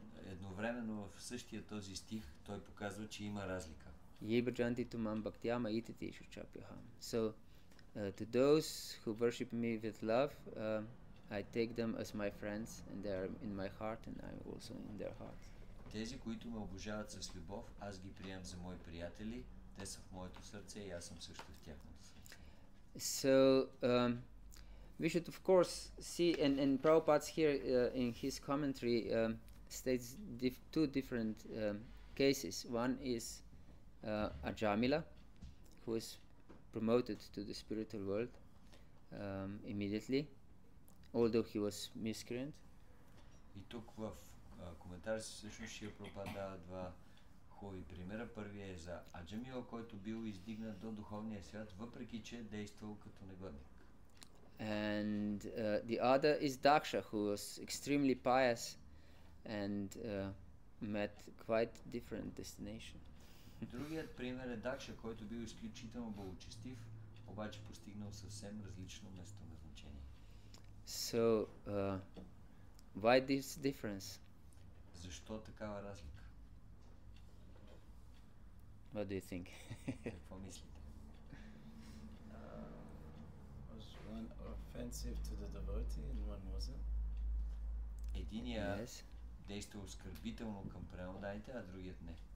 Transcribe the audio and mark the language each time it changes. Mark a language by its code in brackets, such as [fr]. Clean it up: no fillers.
[bg] Едновременно в същия този стих той показва, че има разлика. [sa] Yibajanti tumam bhaktyama iti tishu chapyaham. [en] So to those who worship me with love, I take them as my friends and they are in my heart and I'm also in their heart. [bg] Тези, които ме обожават с любов, аз ги приемам за мои приятели, те са в моето сърце и аз съм също в тяхното. [en] So we should of course see and Prabhupada here in his commentary states two different cases. One is Ajamila, who is promoted to the spiritual world immediately, although he was miscreant. [bg] И тук в коментарите си всъщност Шрила Прабхупада дава два хубави примера. Първият е за Аджамила, който бил издигнат до духовния свят, въпреки че е действал като негодник. [en] And the other is Daksa, who was extremely pious and met quite different destination. [bg] Другият пример е Дакса, който бил изключително благочестив, обаче постигнал съвсем различно место на значение. [en] So, why this difference? [bg] Защо такава разлика? [en] What do you think? [bg] Какво мислите? [en] Was one offensive to the devotee and one wasn't? [bg] Единият действа оскърбително към преводаните, а другият не.